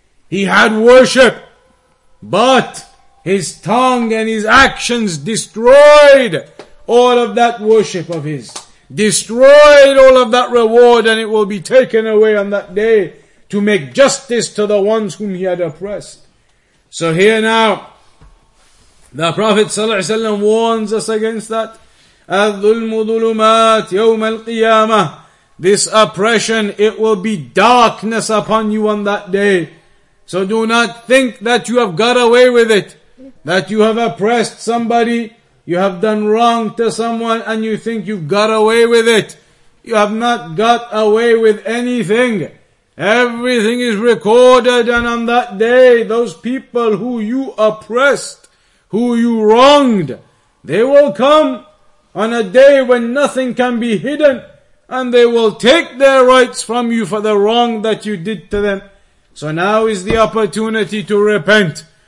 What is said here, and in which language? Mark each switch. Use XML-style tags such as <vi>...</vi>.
<en>He had worship, but his tongue and his actions destroyed all of that worship of his. Destroyed all of that reward, and it will be taken away on that day to make justice to the ones whom he had oppressed. So here now, the Prophet sallallahu alaihi wasallam warns us against that.</en> <ar>الظلم ظلمات يوم القيامة.</ar> <en>This oppression, it will be darkness upon you on that day. So do not think that you have got away with it, that you have oppressed somebody, you have done wrong to someone, and you think you've got away with it. You have not got away with anything. Everything is recorded, and on that day, those people who you oppressed, who you wronged, they will come on a day when nothing can be hidden, and they will take their rights from you for the wrong that you did to them. So now is the opportunity to repent,</en>